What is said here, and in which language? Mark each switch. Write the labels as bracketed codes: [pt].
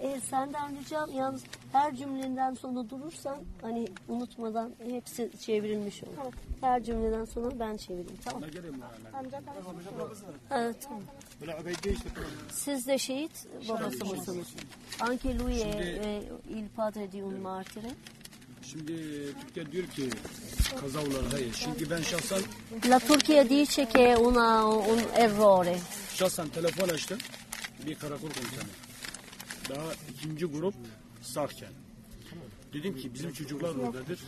[tr] Senden ricam, yalnız her cümleden sonra durursan, hani unutmadan hepsi çevrilmiş olur. Tamam. Her cümleden sonra ben çevireyim, tamam? Ne gereği var? Amca kardeşim. Evet, tamam. Siz de şehit babası mısınız? [it] Anke lui e il padre di un martire. [tr] Şimdi Türkiye diyor ki kazavlarda yer. Çünkü ben şahsen... [it] La Turquia dice che una un errore. [tr] Şahsen telefon açtım. Bir karakol komutanı. Daha ikinci grup sağken. Dedim ki bizim çocuklar oradadır.